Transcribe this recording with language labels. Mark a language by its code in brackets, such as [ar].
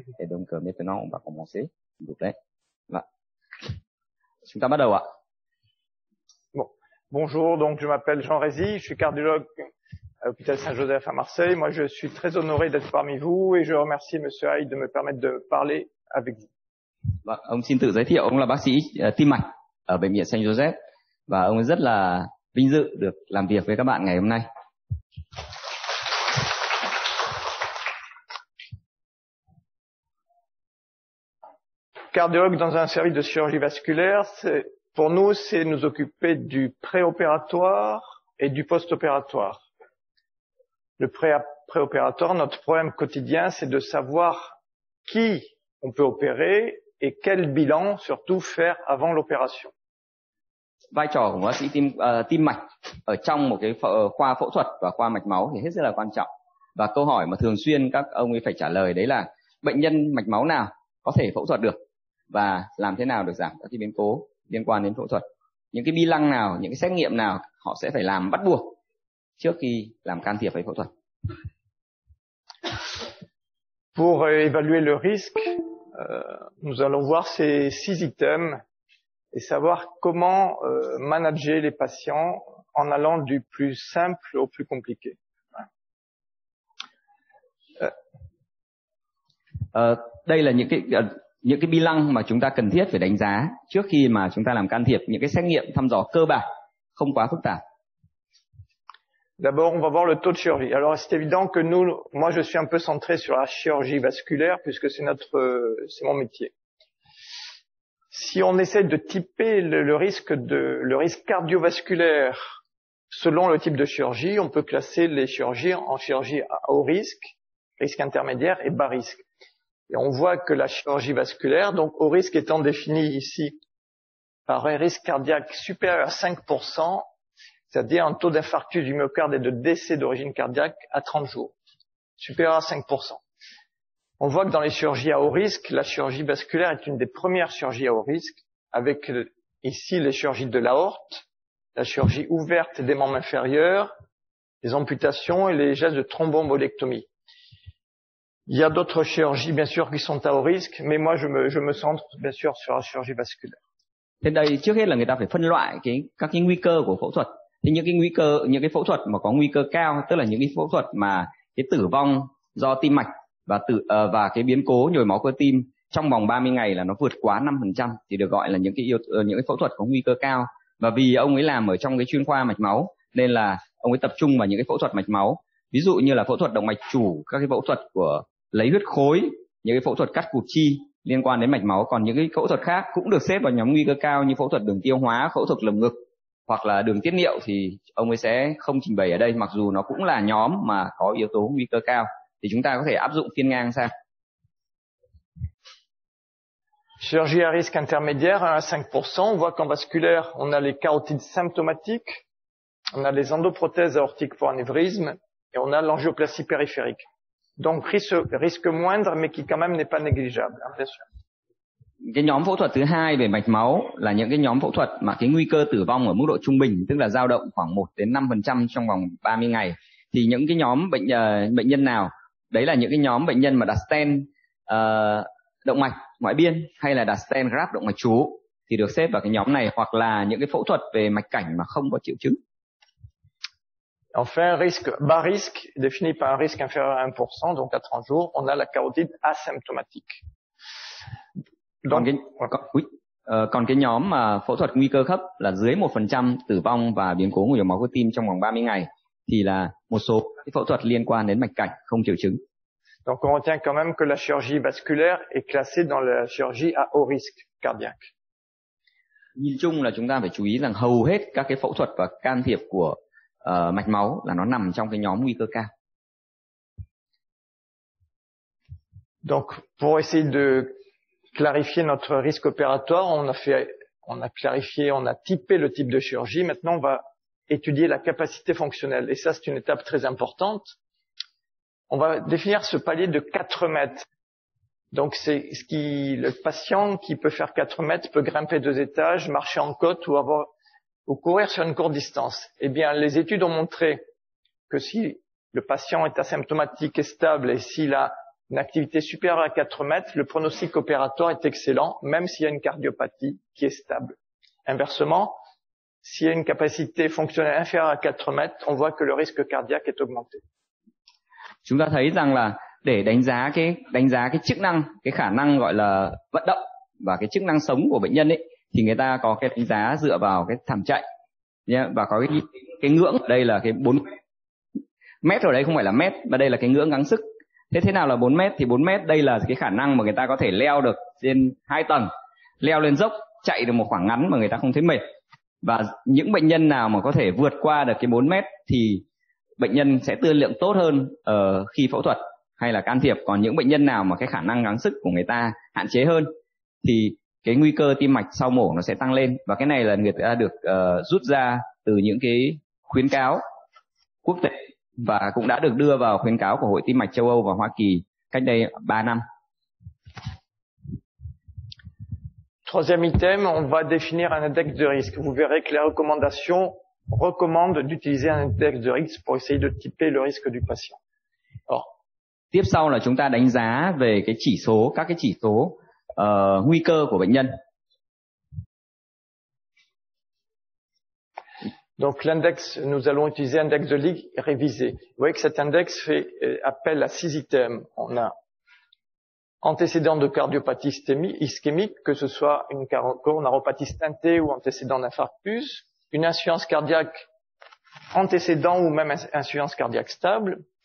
[fr] Et donc maintenant, on va commencer, s'il vous plaît. Là. Sutamadawa. Bon. Bonjour, donc je m'appelle Jean Rézy, je suis cardiologue à l'hôpital Saint-Joseph à Marseille. Moi, je suis très honoré d'être parmi vous et je remercie Monsieur Haï de me permettre de parler avec vous. [vi] Và ông xin tự giới thiệu, ông là bác sĩ tim mạch ở bệnh viện Saint Joseph và ông rất là vinh dự được làm việc với các bạn ngày hôm nay. [fr] Cardiologue dans un service de chirurgie vasculaire, c'est, pour nous, c'est nous occuper du préopératoire et du postopératoire. Le préopératoire, notre problème quotidien, c'est de savoir qui on peut opérer et quel bilan surtout faire avant l'opération. [vi] Vai trò của bác sĩ tim tim mạch ở trong một cái khoa phẫu thuật và khoa mạch máu thì hết sức là quan trọng. Và câu hỏi mà thường xuyên các ông ấy phải trả lời đấy là bệnh nhân mạch máu nào có thể phẫu thuật được và làm thế nào được giảm các biến cố liên quan đến phẫu thuật. Những cái bi lăng nào, những cái xét nghiệm nào họ sẽ phải làm bắt buộc trước khi làm can thiệp hay phẫu thuật. [fr] Pour évaluer le risque, nous allons voir ces 6 items et savoir comment manager les patients en allant du plus simple au plus compliqué. [vi] Đây là những cái bi lăng mà chúng ta cần thiết phải đánh giá trước khi mà chúng ta làm can thiệp, những cái xét nghiệm thăm dò cơ bản, không quá phức tạp. [fr] D'abord, on va voir le taux de chirurgie. Alors, c'est évident que nous, moi, je suis un peu centré sur la chirurgie vasculaire puisque c'est mon métier. Si on essaie de typer le risque cardiovasculaire selon le type de chirurgie, on peut classer les chirurgies en chirurgie à haut risque, risque intermédiaire et bas risque. Et on voit que la chirurgie vasculaire, donc haut risque étant défini ici par un risque cardiaque supérieur à 5%, c'est-à-dire un taux d'infarctus du myocarde et de décès d'origine cardiaque à 30 jours, supérieur à 5%. On voit que dans les chirurgies à haut risque, la chirurgie vasculaire est une des premières chirurgies à haut risque, avec ici les chirurgies de l'aorte, la chirurgie ouverte des membres inférieurs, les amputations et les gestes de thrombombolectomie. Il y a d'autres chirurgies, bien sûr, qui sont à haut risque, mais moi, je me centre, bien sûr, sur la chirurgie vasculaire. [vi] Thế đây trước hết là người ta phải phân loại các cái nguy cơ của phẫu thuật. Thì những cái phẫu thuật mà có nguy cơ cao, tức là những cái phẫu thuật mà cái tử vong do tim mạch và cái biến cố nhồi máu cơ tim trong vòng 30 ngày là nó vượt quá 5% thì được gọi là những cái phẫu thuật có nguy cơ cao. Và vì ông ấy làm ở trong cái chuyên khoa mạch máu nên là ông ấy tập trung vào những cái phẫu thuật mạch máu. Ví dụ như là phẫu thuật động mạch chủ, các cái phẫu thuật của lấy huyết khối, những cái phẫu thuật cắt cụt chi liên quan đến mạch máu, còn những cái phẫu thuật khác cũng được xếp vào nhóm nguy cơ cao như phẫu thuật đường tiêu hóa, phẫu thuật lồng ngực hoặc là đường tiết niệu thì ông ấy sẽ không trình bày ở đây, mặc dù nó cũng là nhóm mà có yếu tố nguy cơ cao thì chúng ta có thể áp dụng phiên ngang sang. [fr] Chirurgie à risque intermédiaire 1 à 5%, on voit qu'en vasculaire, on a les carotides symptomatiques, on a les endoprothèses aortiques pour anévrisme et on a l'angioplastie périphérique. Donc risque moindre mais qui quand même n'est pas négligeable, hein, bien sûr. [vi] Cái nhóm phẫu thuật thứ hai về mạch máu là những cái nhóm phẫu thuật mà cái nguy cơ tử vong ở mức độ trung bình, tức là dao động khoảng 1 đến 5% trong vòng 30 ngày. Thì những cái nhóm bệnh nhân nào? Đấy là những cái nhóm bệnh nhân mà đặt stent động mạch ngoại biên hay là đặt stent graft động mạch chủ thì được xếp vào cái nhóm này, hoặc là những cái phẫu thuật về mạch cảnh mà không có triệu chứng. [fr] Enfin, risque bas risque défini par un risque inférieur à 1% donc à 30 jours, on a la carotide asymptomatique. [vi] Donc, còn cái nhóm mà phẫu thuật nguy cơ thấp là dưới 1% tử vong và biến cố nhồi máu cơ tim trong vòng 30 ngày thì là một số cái phẫu thuật liên quan đến mạch cảnh không triệu chứng. [fr] Donc on retient quand même que la chirurgie vasculaire est classée dans la chirurgie à haut risque cardiaque. [vi] Nhìn chung là chúng ta phải chú ý rằng hầu hết các cái phẫu thuật và can thiệp của mạch máu là nó nằm trong cái nhóm nguy cơ cao. [fr] Donc pour essayer de clarifier notre risque opératoire, on a typé le type de chirurgie. Maintenant, on va étudier la capacité fonctionnelle. Et ça, c'est une étape très importante. On va définir ce palier de 4 mètres. Donc c'est ce qui le patient qui peut faire 4 mètres peut grimper 2 étages, marcher en côte ou avoir ou courir sur une courte distance. Eh bien, les études ont montré que si le patient est asymptomatique et stable et s'il a une activité supérieure à 4 mètres, le pronostic opératoire est excellent, même s'il y a une cardiopathie qui est stable. Inversement, s'il y a une capacité fonctionnelle inférieure à 4 mètres, on voit que le risque cardiaque est augmenté. [vi] Chúng ta thấy rằng là để đánh giá cái chức năng, cái khả năng gọi là vận động và cái chức năng sống của bệnh nhân ấy, thì người ta có cái đánh giá dựa vào cái thảm chạy nhé, và có cái ngưỡng ở đây là cái 4 mét ở đây không phải là mét mà đây là cái ngưỡng gắng sức. Thế nào là 4 mét? Thì 4 mét đây là cái khả năng mà người ta có thể leo được trên 2 tầng, leo lên dốc, chạy được một khoảng ngắn mà người ta không thấy mệt. Và những bệnh nhân nào mà có thể vượt qua được cái 4 mét thì bệnh nhân sẽ tiên lượng tốt hơn khi phẫu thuật hay là can thiệp. Còn những bệnh nhân nào mà cái khả năng gắng sức của người ta hạn chế hơn thì cái nguy cơ tim mạch sau mổ nó sẽ tăng lên. Và cái này là người ta được rút ra từ những cái khuyến cáo quốc tế và cũng đã được đưa vào khuyến cáo của Hội Tim Mạch Châu Âu và Hoa Kỳ cách đây 3 năm. [fr] Troisième item, on va définir un index de risque. Vous verrez que les recommandations recommandent d'utiliser un index de risque pour essayer de typer le risque du patient. [vi] Or, tiếp sau là chúng ta đánh giá về cái chỉ số, các cái chỉ số nguy cơ của bệnh nhân. [fr] Donc l'index, nous allons utiliser l'index de Ligue révisé. Vous voyez que cet index fait appel à 6 items. On a antécédent de cardiopathie ischémique, que ce soit une coronaropathie stentée ou antécédent d'infarctus, une insuffisance cardiaque antécédent ou même insuffisance cardiaque stable.